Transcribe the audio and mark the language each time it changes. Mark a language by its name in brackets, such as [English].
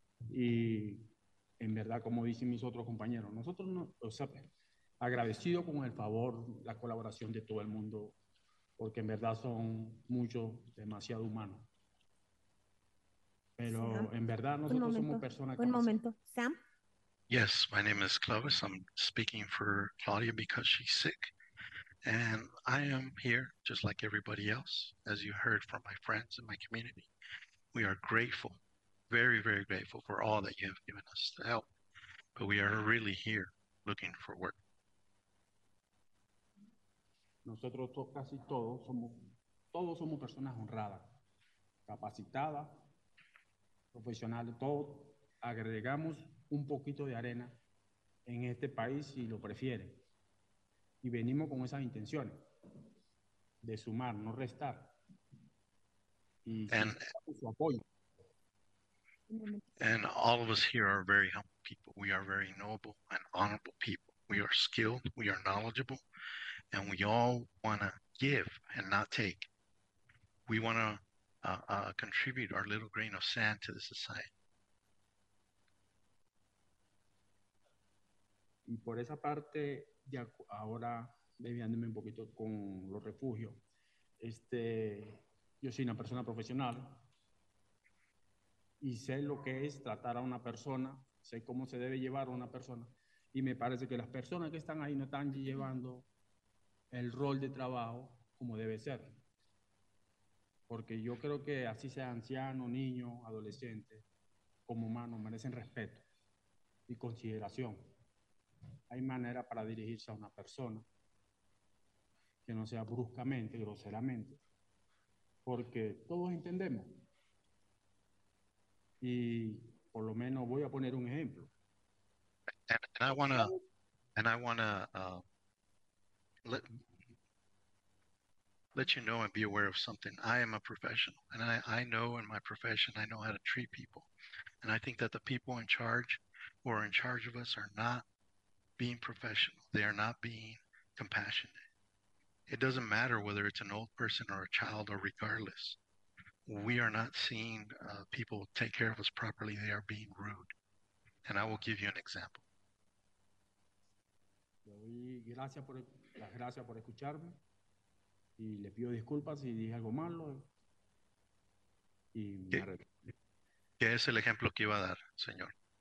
[Spanish] Y en verdad, como dicen mis otros compañeros, nosotros, agradecido con el favor, la colaboración de todo el mundo, porque en verdad son muchos, demasiado humanos. Pero Sam, en verdad nosotros somos personas. Un momento, Sam. [English] Yes, my name is Clovis. I'm speaking for Claudia because she's sick. And I am here just like everybody else, as you heard from my friends and my community. We are grateful, very, very grateful for all that you have given us to help. But we are really here looking for work. [Spanish] Nosotros casi todos somos personas honradas, capacitadas, profesionales, todos agregamos un poquito de arena en este país si lo prefiere. Y venimos con esas intenciones de sumar, no restar. Y su apoyo. [English] And all of us here are very humble people. We are very noble and honorable people. We are skilled, we are knowledgeable. And we all want to give and not take. We want to contribute our little grain of sand to the society. [Spanish] Y por esa parte, ya ahora desviándome un poquito con los refugios, yo soy una persona profesional y sé lo que es tratar a una persona, sé cómo se debe llevar a una persona, y me parece que las personas que están ahí no están llevando el rol de trabajo como debe ser. Porque yo creo que así sea anciano, niño, adolescente, como humano, merecen respeto y consideración. Hay manera para dirigirse a una persona que no sea bruscamente, groseramente. Porque todos entendemos. Y por lo menos voy a poner un ejemplo. [English] And I want to let you know and be aware of something. I am a professional, and I know in my profession, I know how to treat people. And I think that the people in charge who are in charge of us are not being professional. They are not being compassionate. It doesn't matter whether it's an old person or a child or regardless. We are not seeing people take care of us properly. They are being rude. And I will give you an example. [Spanish] Gracias por escucharme. Y le pido disculpas si dije algo malo. ¿Qué es el ejemplo que iba a dar, señor?